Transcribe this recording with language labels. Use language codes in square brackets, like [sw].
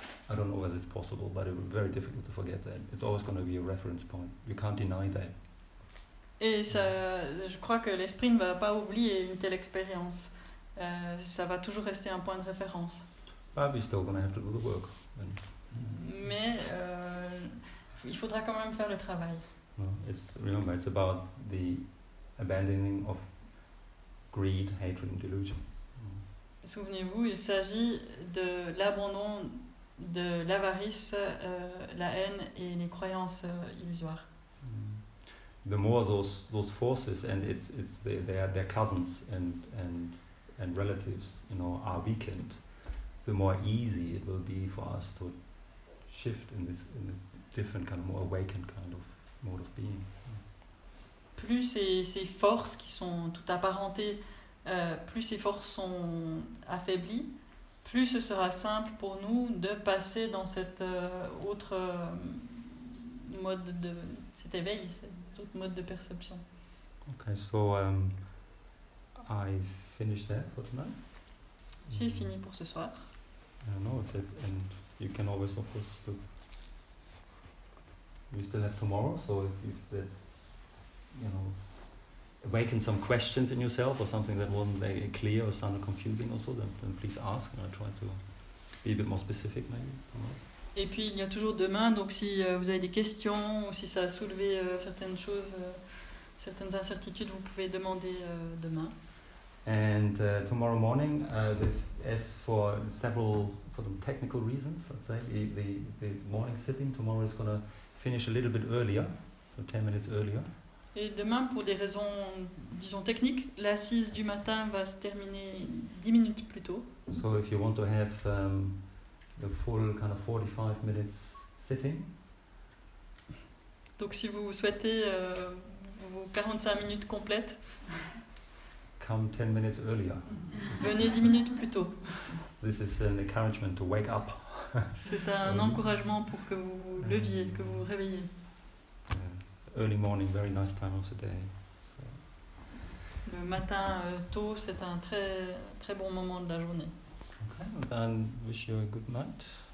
[en] I don't know whether it's possible, but it would be very difficult to forget that. It's always going to be a reference point. You can't deny that. [fr] Et ça, je crois que l'esprit ne va pas oublier une telle expérience. Ça va toujours rester un point de référence. [en] But we're still going to have to do the work. [fr] Mais il faudra quand même faire le travail. [en] No, it's, remember, it's about the abandoning of greed, hatred, and delusion. [fr] Souvenez-vous, il s'agit de l'abandon de l'avarice, la haine et les croyances illusoires. [en] The more those forces, and it's their cousins and relatives, you know, are weakened, the more easy it will be for us to shift in this in a different kind of more awakened kind of mode of being. [fr] Plus ces forces qui sont toutes apparentées, plus ces forces sont affaiblies, plus ce sera simple pour nous de passer dans cette autre mode de cet éveil, cet autre mode de perception. [en] Okay, so I finished that for tonight. [fr] J'ai fini pour ce soir. [en] No, and you can always, of course, do. We still have tomorrow, so if that, you know, awaken some questions in yourself or something that wasn't very clear or sounded confusing also, then please ask and I'll try to be a bit more specific maybe. [fr] Et puis il y a toujours demain, donc si vous avez des questions ou si ça a soulevé certaines choses, certaines incertitudes, vous pouvez demander demain. [en] And tomorrow morning, for some technical reasons, let's say, the morning sitting tomorrow is going to finish a little bit earlier, so 10 minutes earlier. [fr] Et demain, pour des raisons, disons, techniques, l'assise du matin va se terminer 10 minutes plus tôt. [en] So if you want to have the full kind of 45 minutes sitting. [fr] Donc si vous souhaitez vos 45 minutes complètes. [en] Come 10 minutes earlier. [fr] Venez 10 minutes plus tôt. [en] This is an encouragement to wake up. [fr] C'est un encouragement pour que vous vous leviez, que vous vous réveilliez. [en] Early morning, very nice time of the day. So. [fr] Le matin tôt, c'est un très très bon moment de la journée. [en] Okay, and wish you a good night.